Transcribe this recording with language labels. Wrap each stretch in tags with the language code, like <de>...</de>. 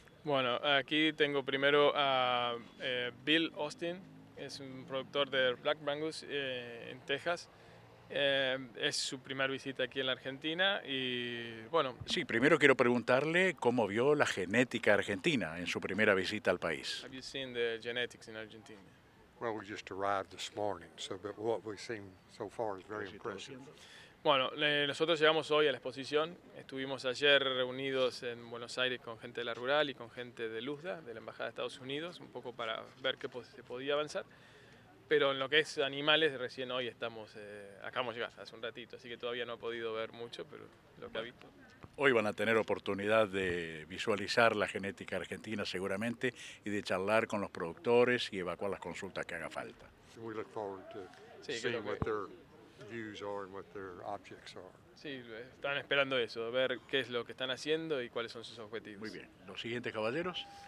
<es>Bueno, aquí tengo primero a Bill Austin, es un productor de Black Brangus en Texas. Es su primera visita aquí en la Argentina y bueno. Sí, primero quiero preguntarle cómo vio la genética argentina en su primera visita al país.</es> <en>Have you seen the genetics in Argentina? Well, we just arrived this morning, so but what we've seen so far is very impressive.</en> <es>Bueno, nosotros llegamos hoy a la exposición. Estuvimos ayer reunidos en Buenos Aires con gente de la Rural y con gente de LUSDA, de la Embajada de Estados Unidos, un poco para ver qué se podía avanzar. Pero en lo que es animales, recién hoy estamos, acabamos de llegar hace un ratito, así que todavía no he podido ver mucho, pero lo que ha visto. Hoy van a tener oportunidad de visualizar la genética argentina seguramente y de charlar con los productores y evacuar las consultas que haga falta.</es> <en>We look forward to seeing what their views are and what their objects are.</en> <es>Sí, están esperando eso, ver qué es lo que están haciendo y cuáles son sus objetivos. Muy bien. ¿Los siguientes caballeros?</es>